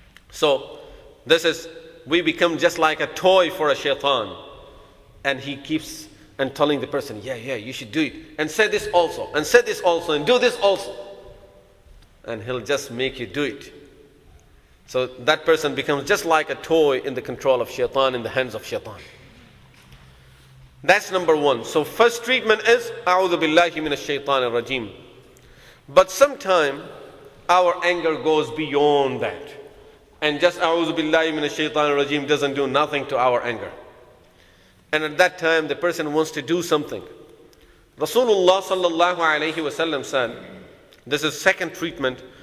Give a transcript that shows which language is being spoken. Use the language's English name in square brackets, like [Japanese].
[English] So, we become just like a toy for a shaitan. And he keeps and telling the person, yeah, you should do it. And say this also, and say this also, and do this also. And he'll just make you do it. So that person becomes just like a toy in the control of shaitan, in the hands of shaitan. That's number one. So first treatment is, [Arabic] أعوذ بالله من الشيطان الرجيم. [English] But sometime, our anger goes beyond that. And just [Arabic] أعوذ بالله من الشيطان الرجيم [English] doesn't do nothing to our anger. And at that time, the person wants to do something. Rasulullah sallallahu alayhi wa sallam said, this is second treatment.